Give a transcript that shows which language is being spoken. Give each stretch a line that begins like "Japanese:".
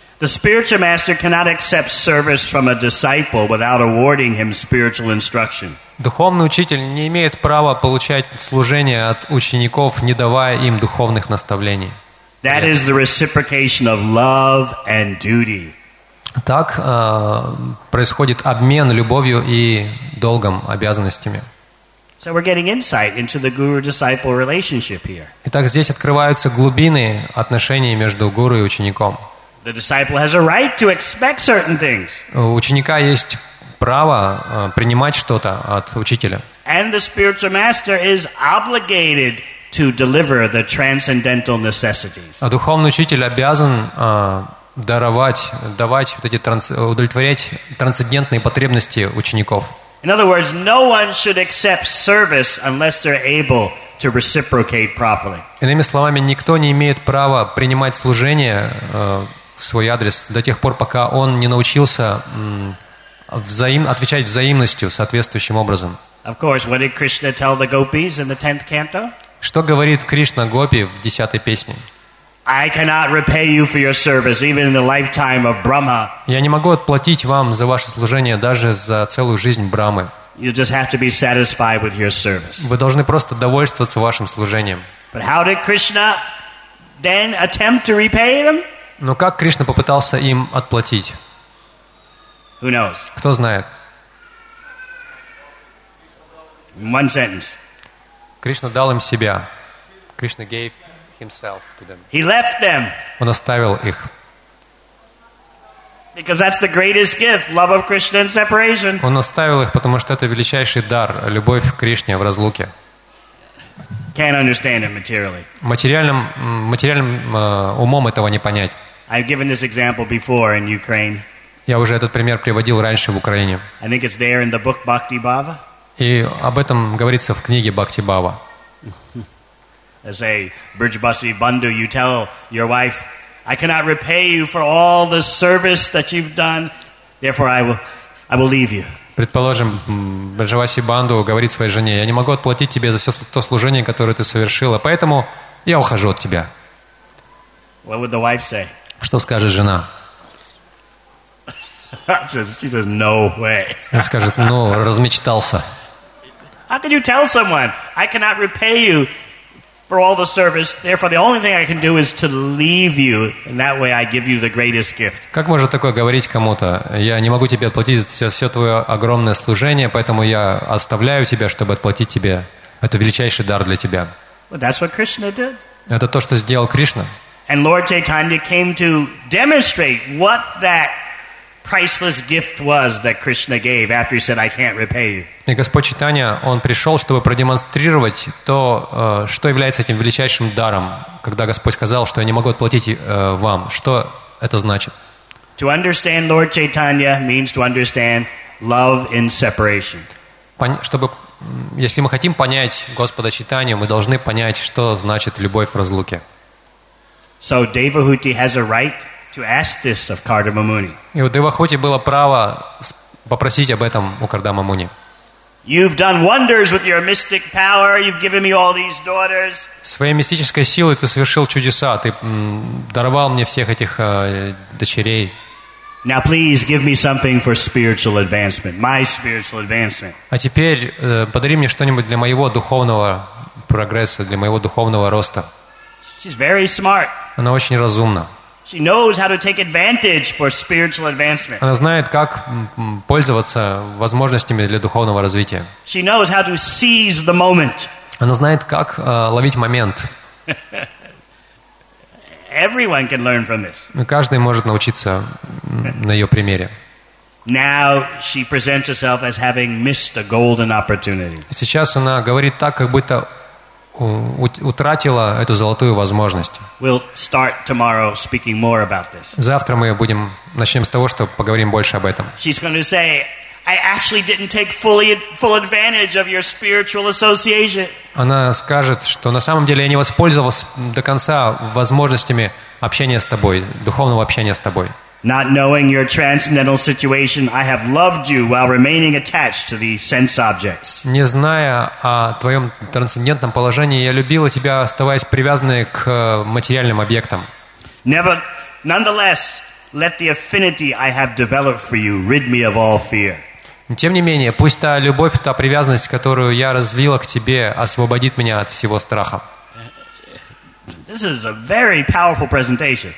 English: The spiritual master cannot accept service from a disciple without awarding him spiritual instruction.
Russian: Духовный учитель не имеет права получать служение от учеников, не давая им духовных наставлений.
English: That is the reciprocation of love and duty.
Russian: Так происходит обмен любовью и долгом, обязанностями.
English: So we're getting insight into the guru-disciple relationship here.
Russian: Итак, здесь открываются глубины отношений между гуру и учеником.
English: The disciple has a right to expect certain things.
Russian: У ученика есть право принимать что-то от учителя.
English: And the spiritual master is obligated to deliver the transcendental necessities.
Russian: А духовный учитель обязан давать вот эти удовлетворять трансцендентные потребности учеников.
English: In other words, no one should accept service unless they're able to reciprocate properly.
Russian: Иными словами, никто не имеет права принимать служение в свой адрес до тех пор, пока он не научился отвечать взаимностью соответствующим образом.
English: Of course, what did Krishna tell the gopis in the 10th canto?
Russian: Что говорит Кришна гопи в 10-й песне?
English: I cannot repay you for your service, even in the lifetime of Brahma.
Russian: Я не могу отплатить вам за ваше служение даже за целую жизнь Брамы.
English: You just have to be satisfied with your service.
Russian: Вы должны просто довольствоваться вашим служением.
English: But how did Krishna then attempt to repay them?
Russian: Но как Кришна попытался им отплатить?
English: Who knows?
Russian: Кто знает?
English: In one sentence.
Russian: Кришна дал им себя.
English: Krishna gave himself to them. He left them.
Russian: Он оставил их.
English: Because that's the greatest gift, love of Krishna and separation.
Russian: Он оставил их, потому что это величайший дар, любовь к Кришне в разлуке.
English: Can't understand it materially.
Russian: Материальным умом этого не понять.
English: I've given this example before in Ukraine.
Russian: Я уже этот пример приводил раньше в Украине.
English: I think it's there in the book Bhakti Bhava.
Russian: И об этом говорится в книге Бхакти Бхава.
English: As a Brijbasi Bandhu, you tell your wife, I cannot repay you for all the service that you've done, therefore I will leave you.
Russian: Предположим, Брижаваси Банду говорит своей жене, я не могу отплатить тебе за все то служение, которое ты совершила, поэтому я ухожу от тебя.
English: What would the wife say?
Russian: Что скажет жена?
English: She says, no way.
Russian: Она скажет, ну, размечтался.
English: How can you tell someone, I cannot repay you for all the service, therefore the only thing I can do is to leave you, and that way I give you the greatest gift.
Russian: Как можно такое говорить кому-то? Я не могу тебе отплатить за все твое огромное служение, поэтому я оставляю тебя, чтобы отплатить тебе. Это величайший дар для тебя.
English: Well, that's what Krishna did.
Russian: Это то, что сделал Кришна.
English: And Lord Chaitanya came to demonstrate what that priceless gift was that Krishna gave after he said, I can't repay you.
Russian: И Господь Чайтанья, Он пришел, чтобы продемонстрировать то, что является этим величайшим даром, когда Господь сказал, что я не могу отплатить вам. Что это значит?
English: To understand Lord Chaitanya means to understand love in separation.
Russian: Чтобы, если мы хотим понять Господа Чайтанью, мы должны понять, что значит любовь в разлуке.
English: So Devahuti has a right to ask this of Kardama Muni.
Russian: И у Девахути было право попросить об этом у Кардама Муни.
English: You've done wonders with your mystic power. You've given me all these daughters.
Russian: Своей мистической силой ты совершил чудеса. Ты даровал мне всех этих дочерей.
English: Now please give me something for spiritual advancement. My spiritual advancement.
Russian: А теперь подари мне что-нибудь для моего духовного прогресса, для моего духовного роста.
English: She's very smart.
Russian: Она очень разумна.
English: She knows how to take advantage for spiritual advancement.
Russian: Она знает, как пользоваться возможностями для духовного развития.
English: She knows how to seize the moment.
Russian: Она знает, как ловить момент.
English: Everyone can learn from this.
Russian: Каждый может научиться на ее примере.
English: Now she presents herself as having missed a golden opportunity.
Russian: Сейчас она говорит так, как будто утратила эту золотую возможность.
English: We'll start tomorrow speaking more about this.
Russian: Завтра мы начнем с того, что поговорим больше об этом.
English: She's going to say, I actually didn't take full advantage of your spiritual association.
Russian: Она скажет, что на самом деле я не воспользовался до конца возможностями общения с тобой, духовного общения с тобой.
English: Not knowing your transcendental situation, I have loved you while remaining attached to these sense objects.
Russian: Не зная о твоем трансцендентном положении, я любила тебя, оставаясь привязанной к материальным объектам.
English: Nonetheless, let the affinity I have developed for you rid me of all fear.
Russian: Тем не менее, пусть та любовь, та привязанность, которую я развила к тебе, освободит меня от всего страха.
English: This is a very powerful presentation.